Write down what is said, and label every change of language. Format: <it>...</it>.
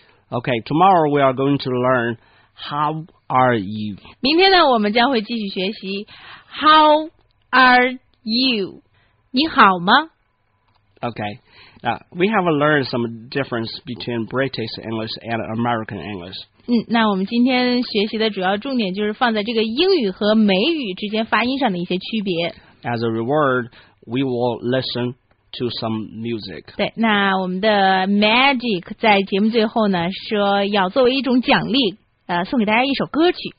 <en>Okay, tomorrow we are going to learn. How are you?</en> <zh>明天呢，我们将会继续学习。</zh> <en>How are you?</en> <zh>你好吗</zh> <en>？Okay. We have learned some difference between British English and American English.</en> <zh>那我们今天学习的主要重点就是放在这个英语和美语之间发音上的一些区别。</zh> <en>As a reward, we will listen. To some music.</en> <zh>对，那我们的 Magic 在节目最后呢，说要作为一种奖励，送给大家一首歌曲。</zh>